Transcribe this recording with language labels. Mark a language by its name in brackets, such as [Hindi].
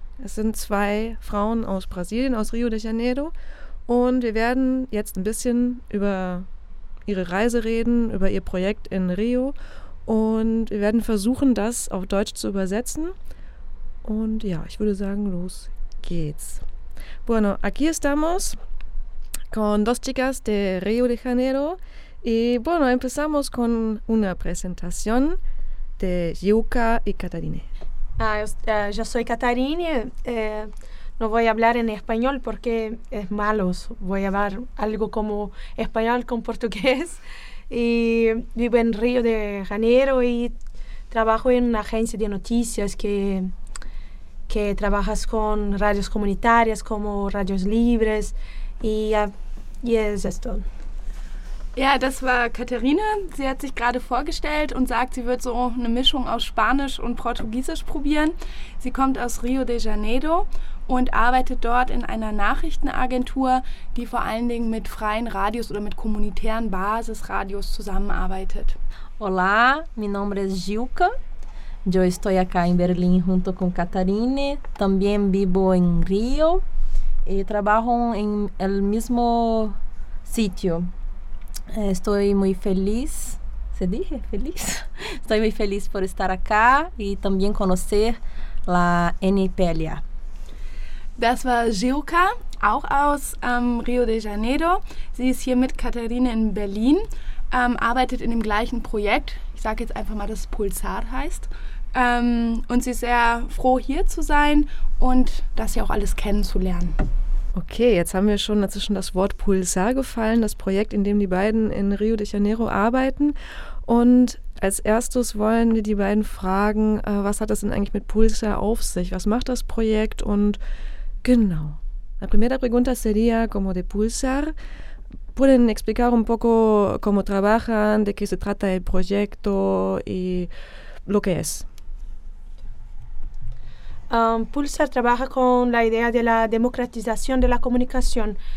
[German] Es sind 2 Frauen aus Brasilien, aus Rio de Janeiro. Und wir werden jetzt ein bisschen über ihre Reise reden, über ihr Projekt in Rio. Und wir werden versuchen, das auf Deutsch zu übersetzen. Und ja, ich würde sagen, los geht's. [Spanish] Bueno, aquí estamos con 2 chicas de Río de Janeiro. Y bueno, empezamos con una presentación de Yuka y Catarine. Ah, yo soy Catarine. no voy a hablar en español porque es malo. Voy a hablar algo como español con portugués. Y vivo en Río de Janeiro y trabajo en una agencia de noticias que trabajas con radios comunitarias como Radios Libres y es esto. [German] Ja, das war Katharina. Sie hat sich gerade vorgestellt und sagt, sie wird so eine Mischung aus Spanisch und Portugiesisch probieren. Sie kommt aus Rio de Janeiro und arbeitet dort in einer Nachrichtenagentur, die vor allen Dingen mit freien Radios oder mit kommunitären Basisradios zusammenarbeitet. [Spanish] Olá, mi nombre es Gilka. Yo estoy acá en Berlín junto con Katharine. También vivo en Rio y trabajo en el mismo sitio. Estoy muy feliz, ¿se dice feliz? Estoy muy feliz por estar acá y también conocer la NPLA. [German] Das war Gilka, auch aus Rio de Janeiro. Sie ist hier mit Katharine in Berlin, arbeitet in dem gleichen Projekt. Ich sage jetzt einfach mal, dass es Pulsar heißt. Und sie ist sehr froh, hier zu sein und das hier auch alles kennenzulernen. Okay, jetzt haben wir schon dazwischen das Wort Pulsar gefallen, das Projekt, in dem die beiden in Rio de Janeiro arbeiten. Und als erstes wollen wir die beiden fragen, was hat das denn eigentlich mit Pulsar auf sich? Was macht das Projekt? Und genau, [Spanish] la primera pregunta sería como de Pulsar. ¿Pueden explicar un poco cómo trabajan, de qué se trata el proyecto y lo que es? Pulsar trabaja con la idea de la democratización de la comunicación.